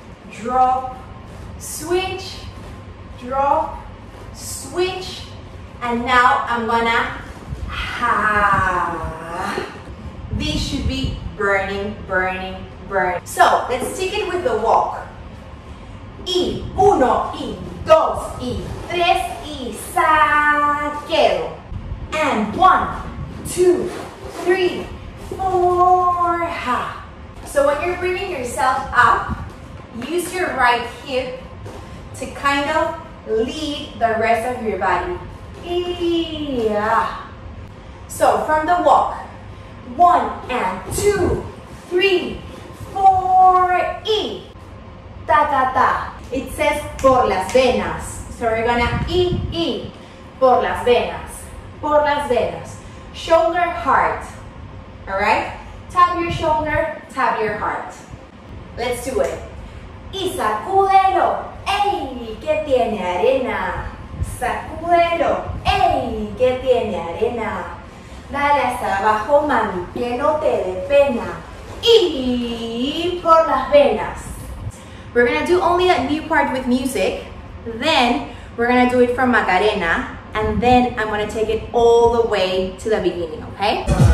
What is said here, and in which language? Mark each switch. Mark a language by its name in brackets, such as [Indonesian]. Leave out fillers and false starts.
[English] Drop, switch, drop, switch. And now I'm gonna ha. This should be burning, burning, burning. So let's stick it with the walk. [Spanish] Y uno, y dos, y tres, y saquero. [English] And one, two, three, four, ha. So when you're bringing yourself up, use your right hip to kind of lead the rest of your body. Yeah. So from the walk, one and two, three, four, e. Ta ta ta. It says [Spanish] por las venas. [English] So we're gonna e. [Spanish] Por las venas. Por las venas. [English] Shoulder, heart. All right? Tap your shoulder, tap your heart. Let's do it. [Spanish] Y sacúdelo. Ey, que tiene arena. Sacúdelo. Ey, que tiene arena. Dale hasta abajo, mami, que no te dé pena. Y por las venas. [English] We're going to do only that new part with music. Then we're going to do it from Macarena. And then I'm gonna take it all the way to the beginning, okay?